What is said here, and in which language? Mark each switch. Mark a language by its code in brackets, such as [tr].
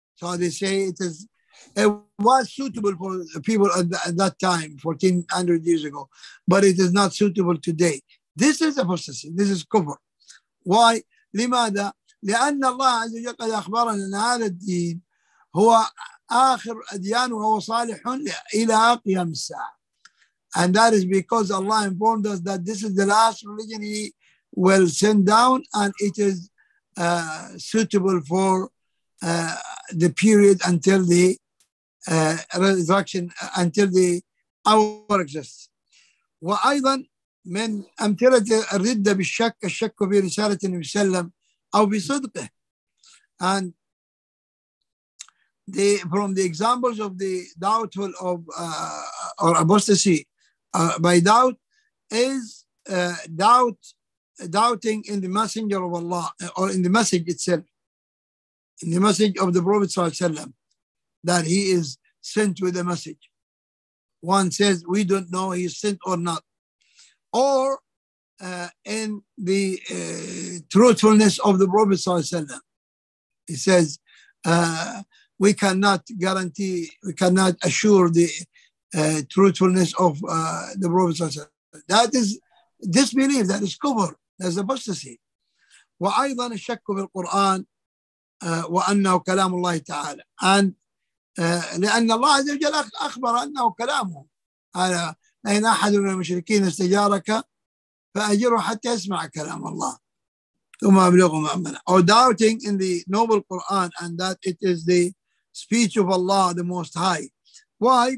[en] So they say it was suitable for people at that time, 1400 years ago, but it is not suitable today. This is apostasy. This is kufr. Why? [ar] لماذا؟ لأن الله عز وجل قد أخبرنا أن هذا الدين هو آخر الأديان وهو صالح إلى قيام الساعة. [en] And that is because Allah informed us that this is the last religion He will send down, and it is suitable for the period until the resurrection, until the hour exists. [ar] وأيضا من أمثلة الردة بالشك الشك في رسالة النبي صلى الله عليه وسلم أو في صدقه. [en] And from the examples of the doubtful of or apostasy by doubt is doubt doubting in the messenger of Allah or in the message itself, in the message of the Prophet صلى الله عليه وسلم, that he is sent with a message. One says, we don't know he is sent or not. Or in the truthfulness of the Prophet صلى الله عليه وسلم, he says, we cannot guarantee, we cannot assure the truthfulness of the Prophet صلى الله عليه وسلم. That is disbelief, that is kufr, that is apostasy. [ar] وأيضا الشك في القرآن وأنه كلام الله تعالى. And لأن الله عز وجل أخبر أنه كلامه. قال لئن أحد من المشركين استجارك فأجره حتى يسمع كلام الله ثم أبلغه مأمنه. [en] Or doubting in the noble Quran and that it is the speech of Allah the Most High. Why?